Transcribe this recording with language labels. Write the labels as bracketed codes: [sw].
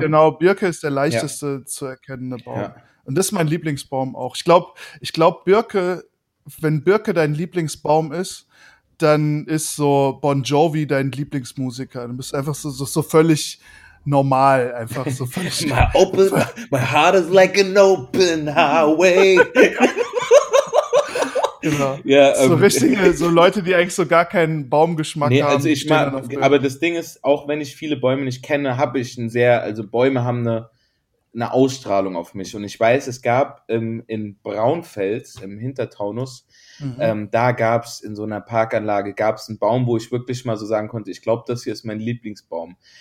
[de] Genau, Birke ist der leichteste zu erkennende Baum. Ja. Und das ist mein Lieblingsbaum auch. Ich glaube, Birke, wenn Birke dein Lieblingsbaum ist, dann ist so Bon Jovi dein Lieblingsmusiker. Dann bist du einfach so völlig normal, einfach so völlig. [en] my heart is like an open highway. [de] Genau. Ja, so richtige, so Leute, die eigentlich so gar keinen Baumgeschmack haben. Also ich mag, aber das Ding ist, auch wenn ich viele Bäume nicht kenne, habe ich ein sehr, also Bäume haben eine Ausstrahlung auf mich. Und ich weiß, es gab in Braunfels, im Hintertaunus, da gab es in so einer Parkanlage, gab es einen Baum, wo ich wirklich mal so sagen konnte, ich glaube, das hier ist mein Lieblingsbaum.